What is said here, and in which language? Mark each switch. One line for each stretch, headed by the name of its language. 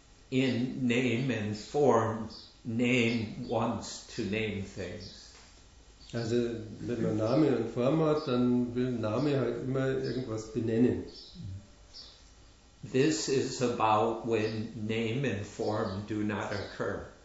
English: In name and form, name wants to name things.
German: Also wenn man Name und Form hat, dann will Name halt immer irgendwas benennen.
English: This is about when name and form do not occur.